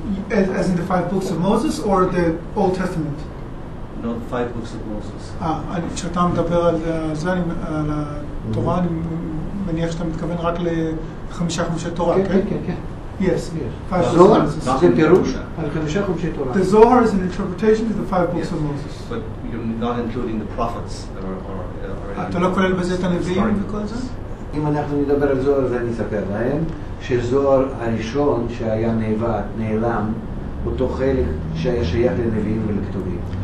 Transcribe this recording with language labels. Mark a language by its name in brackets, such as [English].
[English] As in the five books of Moses or the Old Testament? No, the five books of Moses. [Hebrew] כשאתה מדבר על זה, על התורה, אני מניח שאתה מתכוון רק לחמישה חמישי תורה, כן? כן, כן, כן. [English] Yes. [Hebrew] Zohar, זה פירוש על חמישה חמישי תורה. [English] The Zohar is an interpretation of the five books of Moses. But you're not including the prophets or [Hebrew] אתה לא כולל בזה את הנביאים וכל זה? אם אנחנו נדבר על זוהר, אז אני אספר להם שזוהר הראשון שהיה נאבד, נעלם, אותו חלק שהיה שייך לנביאים ולכתובים.